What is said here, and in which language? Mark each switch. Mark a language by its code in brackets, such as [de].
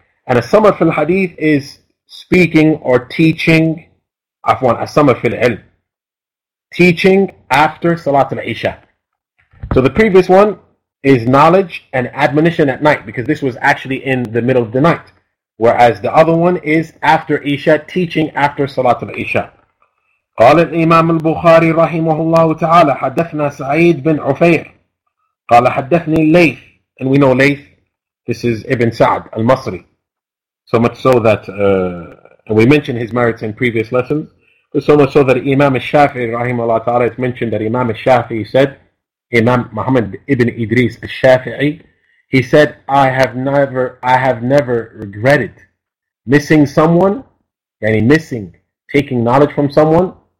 [en] And as-samar fil hadith is speaking or teaching, afwan, as-samar fil ilm, teaching after Salat al-Isha. So the previous one is knowledge and admonition at night, because this was actually in the middle of the night. Whereas the other one is after Isha, teaching after Salat al-Isha. [ar] قال الإمام البخاري رحمه الله تعالى حدثنا سعيد بن عفير قال حدثني ليث. [en] And we know Layth, this is Ibn Sa'd al-Masri, so much so that we mentioned his merits in previous lessons, but so much so that Imam al-Shafi'i [ar] رحمه الله تعالى, [en] it's mentioned that Imam al-Shafi'i said, Imam Muhammad ibn Idris al-Shafi'i, he said, I have never regretted missing someone, yani missing taking knowledge from someone,